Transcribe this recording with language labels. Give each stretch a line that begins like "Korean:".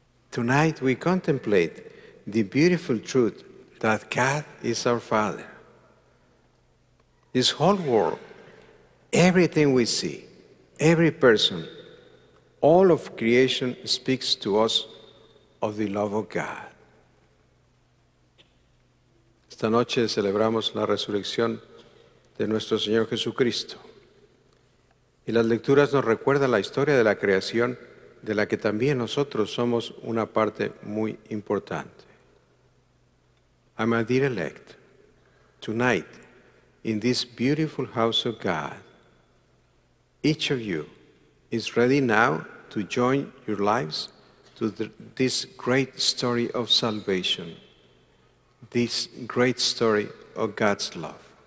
English: Tonight we contemplate the beautiful truth that God is our Father. This whole world, everything we see, every person, all of creation speaks to us of the love of God.
Spanish: Esta noche celebramos la resurrección de nuestro Señor Jesucristo. Y las lecturas nos recuerdan la historia de la creación, de la que también nosotros somos una parte muy importante.
English: And my dear elect, tonight, in this beautiful house of God, each of you is ready now to join your lives to this great story of salvation, this great story of God's love.